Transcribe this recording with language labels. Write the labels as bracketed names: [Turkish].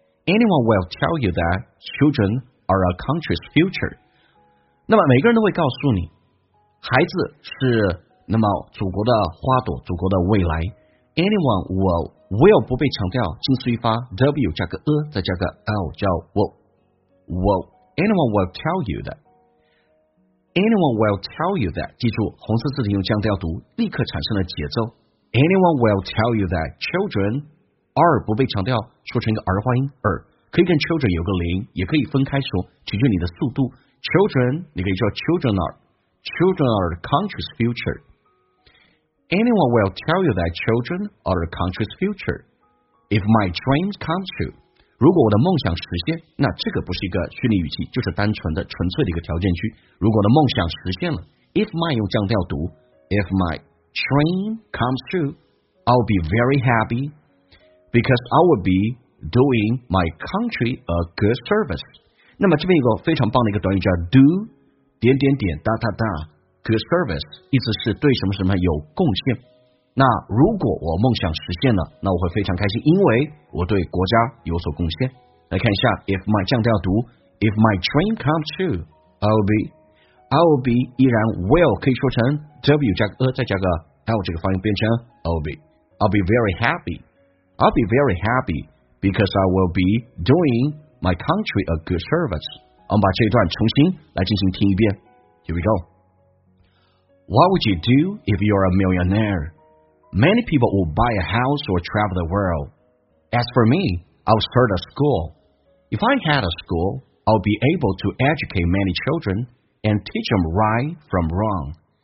[English] Anyone will tell you that children are a country's future. [Chinese] 那么每个人都会告诉你，孩子是。那么祖国的花朵祖国的未来 Anyone will 不被强调近似于发 W 加个 A 再加个 L 叫 will [English] Anyone will tell you that Anyone will tell you that [Chinese] 记住红色字体用降调读立刻产生了节奏 [English] Anyone will tell you that children are [Chinese] 不被强调说成一个儿化音儿可以跟 children 有个连音也可以分开说取决你的速度 children 你可以说 [English] children are the country's future. Anyone will tell you that children are the country's future. If my dreams come true, [Chinese] 如果我的梦想实现，那这个不是一个训练语气，就是单纯的纯粹的一个条件句。如果我的梦想实现了， [English] if my [Chinese] 用降调读， [English] if my dream comes true, I'll be very happy because I will be doing my country a good service。 [Chinese] 那么这边有个非常棒的一个短语叫 do 点点点哒哒哒 good service， 意思是对什么什么有贡献。那如果我梦想实现了，那我会非常开心，因为我对国家有所贡献。来看一下 [English] if my [Chinese] 降调读 [English] if my dream comes true I will be [Chinese] 依然 [English] will [Chinese] 可以说成 w 加个 再加个 l 这个发音变成 [English] I'll be very happy because I will be doing my country a good service。 [Chinese] 我们把这一段重新来进行听一遍。 [English] Here we go。 What would you do if you're a millionaire? Many people will buy a house or travel the world. As for me, I'll start a school. If I had a school, I'll be able to educate many children and teach them right from wrong.